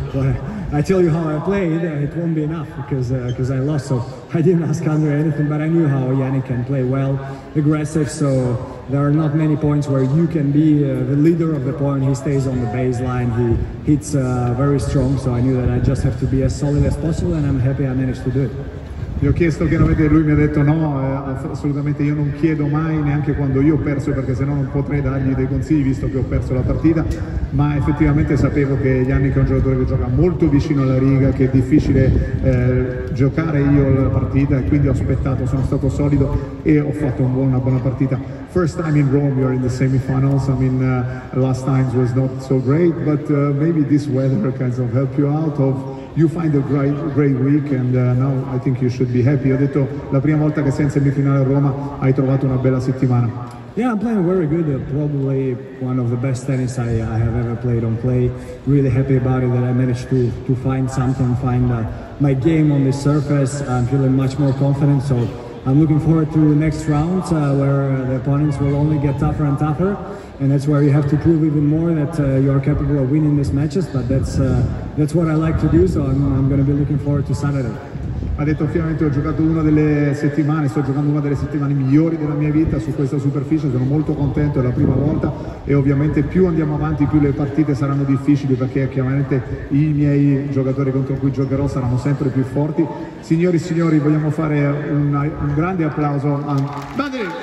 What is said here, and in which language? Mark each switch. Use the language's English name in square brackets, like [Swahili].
[English] But I tell you how I played, it won't be enough because I lost. So I didn't ask Andre anything, but I knew how Yannick can play well, aggressive. So there are not many points where you can be the leader of the point. He stays on the baseline. He hits very strong. So I knew that I just have to be as solid as possible, and I'm happy I managed to do it. [Italian] Gli ho chiesto che non vede, lui mi ha detto no, assolutamente io non chiedo mai, neanche quando io ho perso, perché sennò non potrei dargli dei consigli visto che ho perso la partita, ma effettivamente sapevo che Yannick è un giocatore che gioca molto vicino alla riga, che è difficile giocare io la partita, e quindi ho aspettato, sono stato solido e ho fatto una buona partita. [English] First time in Rome, you're in the semifinals. I mean, last times was not so great, but maybe this weather kind of help you out of... You find a great week, and now I think you should be happy. [Italian] Ho detto la prima volta che sei in semifinale a Roma, hai trovato una bella settimana. [English] Yeah, I'm playing very good. Probably one of the best tennis I have ever played on clay. Really happy about it that I managed to find something, find my game on the surface. I'm feeling much more confident, so I'm looking forward to the next round where the opponents will only get tougher and tougher. And that's where you have to prove even more that you are capable of winning these matches. But that's what I like to do. So I'm going to be looking forward to Saturday. [Italian] Ha detto finalmente ho giocato una delle settimane, sto giocando una delle settimane migliori della mia vita su questa superficie. Sono molto contento, è la prima volta. E ovviamente più andiamo avanti, più le partite saranno difficili perché chiaramente i miei giocatori contro cui giocherò saranno sempre più forti. Signori e signori, vogliamo fare un grande applauso a Medvedev.